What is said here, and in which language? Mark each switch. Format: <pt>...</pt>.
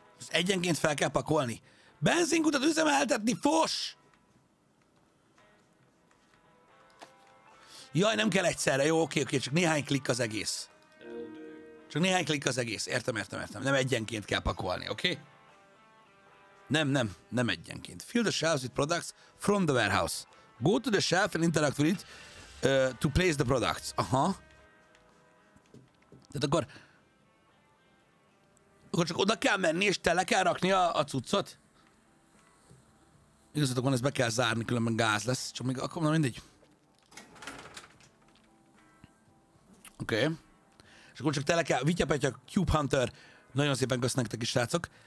<hu>Ezt egyenként fel kell pakolni. Benzinkutat üzemeltetni, fos! Jaj, nem kell egyszerre. Jó, oké, oké, csak néhány klikk az egész. Csak néhány klikk az egész. Értem, értem, értem. Nem egyenként kell pakolni, oké? Nem, nem, nem egyenként.</hu> <en>Fill the shelves with products from the warehouse. Go to the shelf and interact with it to place the products.</en> <hu>Aha. Tehát akkor... Akkor csak oda kell menni, és tele kell rakni a cuccot. Igazatok van, ezt be kell zárni, különben gáz lesz. Csak még akkor, na mindegy. Oké. Okay. És akkor csak tele kell, Vitya Petya, Cube Hunter, nagyon szépen köszönöm nektek is, srácok.</hu>